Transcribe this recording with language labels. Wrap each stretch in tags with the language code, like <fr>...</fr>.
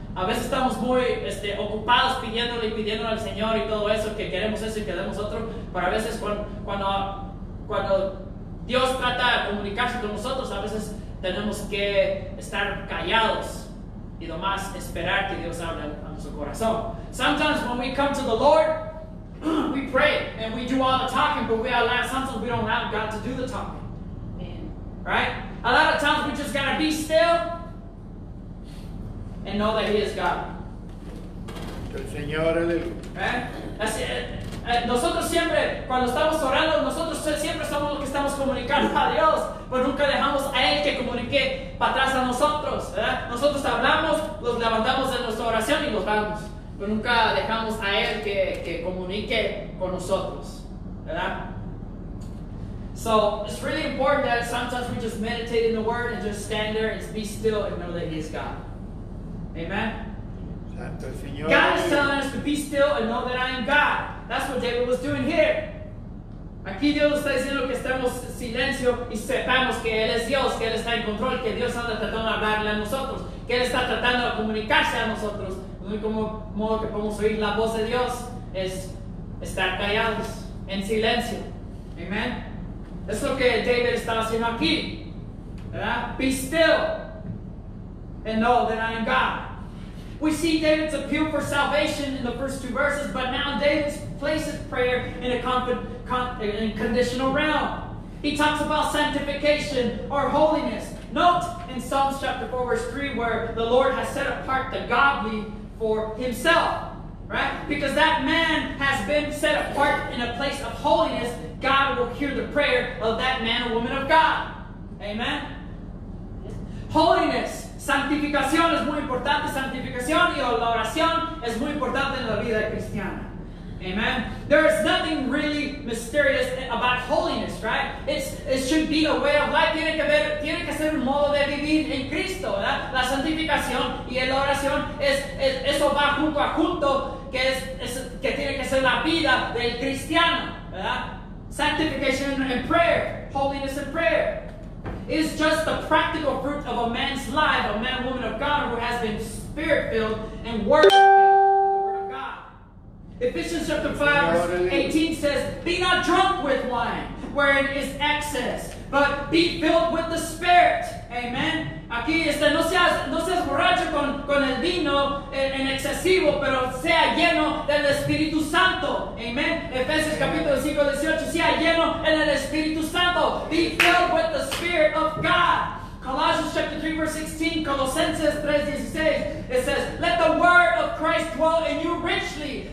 <es>A veces estamos muy este, ocupados pidiéndole y pidiéndole al Señor y todo eso, que queremos eso y queremos otro, pero a veces cuando Dios trata de comunicarse con nosotros, a veces tenemos que estar callados y nomás esperar que Dios hable a nuestro corazón.</es> <en>Sometimes when we come to the Lord, we pray and we do all the talking, but we allow, sometimes we don't have God to do the talking. Right? A lot of times we just gotta be still and know that he is God.</en> <es>El Señor es el... ¿Eh? Así, Nosotros siempre, cuando estamos orando, nosotros siempre somos los que estamos comunicando a Dios, pero nunca dejamos a Él que comunique para atrás a nosotros, ¿verdad? Nosotros hablamos, los levantamos de nuestra oración y los vamos, pero nunca dejamos a Él que comunique con nosotros, ¿verdad?</es> <en>So, it's really important that sometimes we just meditate in the Word and just stand there and be still and know that He is God. Amen? God is telling us to be still and know that I am God. That's what David was doing here.</en> <es>Aquí Dios está diciendo que estemos en silencio y sepamos que Él es Dios, que Él está en control, que Dios anda tratando de hablarle a nosotros, que Él está tratando de comunicarse a nosotros. El único modo que podemos oír la voz de Dios es estar callados, en silencio. Amen? Es lo que David está haciendo aquí. ¿Verdad?</es> <en>Be still and know that I am God. We see David's appeal for salvation in the first two verses, but now David places prayer in a conditional realm. He talks about sanctification or holiness. Note in Psalms chapter 4 verse 3 where the Lord has set apart the godly for himself, right? Because that man has been set apart in a place of holiness, God will hear the prayer of that man or woman of God.</en> <es>Amen?</es> <en>Holiness.</en> <es>Santificación es muy importante. Santificación y la oración es muy importante en la vida cristiana. Amen.</es> <en>There is nothing really mysterious about holiness, right? It should be a way of life.</en> <es>Tiene que ser un modo de vivir en Cristo, ¿verdad? La santificación y la oración es eso va junto a junto, que es que tiene que ser la vida del cristiano, ¿verdad?</es> <en>Sanctification and prayer, holiness and prayer. Is just the practical fruit of a man's life, a man or woman of God who has been spirit-filled and worshiping the Word of God. Ephesians chapter 5, verse 18 says, be not drunk with wine, wherein is excess, but be filled with the Spirit. Amen.</en> <es>Aquí está, no seas borracho con el vino en excesivo, pero sea lleno del Espíritu Santo. Amen. Efesios capítulo 5, 18, sea lleno en el Espíritu Santo.</es> <en>Be filled with the Spirit of God. Colossians chapter 3, verse 16, Colosenses 3, 16, it says, let the word of Christ dwell in you richly.</en>